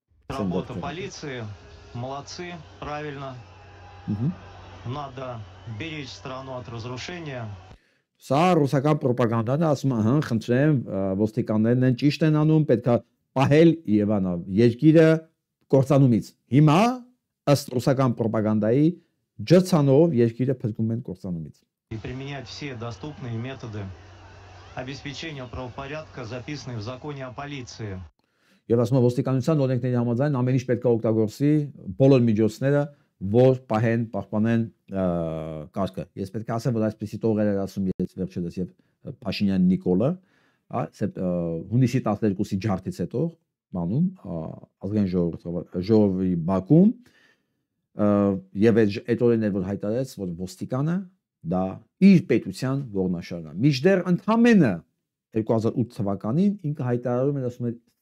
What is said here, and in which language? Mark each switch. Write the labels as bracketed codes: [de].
[ru] работа полиции, молодцы, правильно, надо беречь страну от разрушения. [hy] Սա ռուսական պրոպագանդան է, ասում են, խնդրեմ, ոստիկաններն են ճիշտ են անում, պետք է պահել Իևանը, երկիրը կործանումից, հիմա ըստ ռուսական պրոպագանդայի ջրցանով երկիրը փրկում են կործանումից, [ru] и применять все доступные методы обеспечения правопорядка, записанные в законе о полиции. [hy] Եվ ասում են, ոստիկանության օրենքների համաձայն ամեն ինչ պետք է օգտագործի, բոլոր միջոցները, որ պահեն, պահպանեն կարգը, ես պետք է ասեմ, որ այսպեսի տողեր էր ասում ես վերջերս, եւ Փաշինյան Նիկոլը, հա, հունիսի 12-ի ջարդից հետո մանում ազգային ժողովի Բաքում, եւ այդ օրենքն էր, որ հայտարարեց, որ ոստիկանը դա իր պետության ողնաշարն է, միջդեռ ընդամենը 2008 թվականին ինքը հայտարարում էր, ասում էր,